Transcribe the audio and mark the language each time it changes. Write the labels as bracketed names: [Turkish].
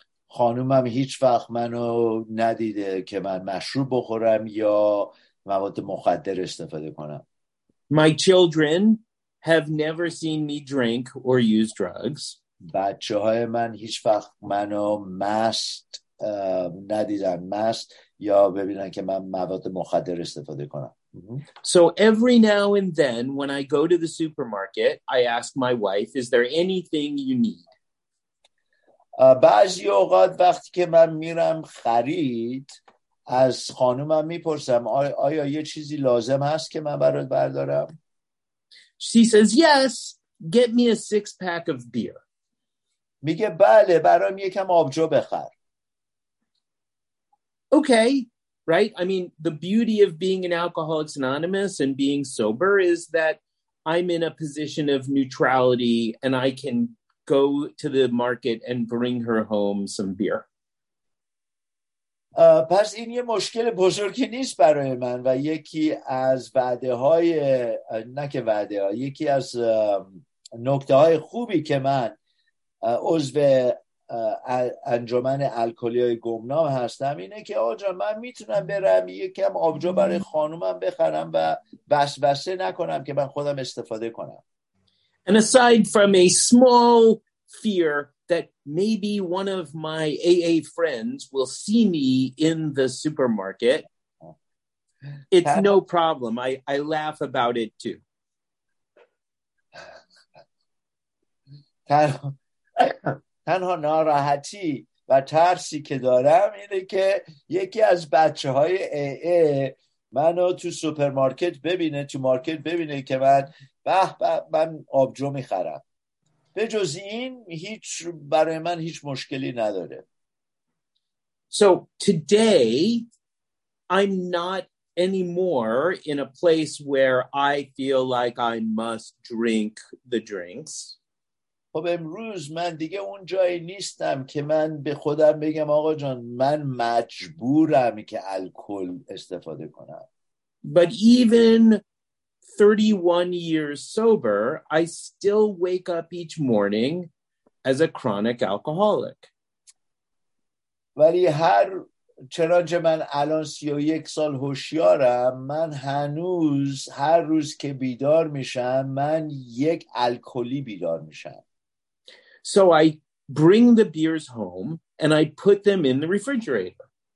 [Persian] خانومم هیچ وقت منو ندیده که من مشروب بخورم یا مواد مخدر استفاده کنم. [English] My children have never seen me drink or use drugs. [Persian] بچه‌های من هیچ وقت منو مست ندیدن، مست یا ببینن که من مواد مخدر استفاده کنم. [English] So every now and then when I go to the supermarket, I ask my wife, is there anything you need? [Persian] بعضی اوقات وقتی که من میرم خرید از خانومم میپرسم آیا یه چیزی لازم هست که من برات بردارم؟ [English] She says, yes, get me a six pack of beer. [Persian] میگه بله برام یکم آبجو بخر. [English] Okay, right? I mean, the beauty of being an Alcoholics Anonymous and being sober is that I'm in a position of neutrality and I can go to the market and bring her home some beer. [Persian] پس این یه مشکل بزرگی نیست برای من و یکی از وعده های نه که وعده ها یکی از نکته های خوبی که من عضو انجمن الکلی های گمنام هستم اینه که آجا من میتونم برم یکم آبجو برای خانومم بخرم و وسوسه نکنم که من خودم استفاده کنم. [English] And aside from a small fear that maybe one of my AA friends will see me in the supermarket, it's no problem. I laugh about it too. [Persian] تنها ناراحتی و ترسی که دارم اینه که یکی از بچه های AA منو تو سوپرمارکت ببینه، تو مارکت ببینه که من به من آبجو میخرم. به جز این هیچ برای من هیچ مشکلی نداره. [English] So today I'm not anymore in a place where I feel like I must drink the drinks. [Persian] خب امروز من دیگه اون جایی نیستم که من به خودم بگم آقا جان من مجبورم که الکل استفاده کنم. [English] But even 31 years sober, I still wake up each morning as a chronic alcoholic. [Persian] ولی هر چنانچه من الان 31 سال هوشیارم، من هنوز هر روز که بیدار میشم من یک الکلی بیدار میشم. [English] So I bring the beers home and I put them in the refrigerator.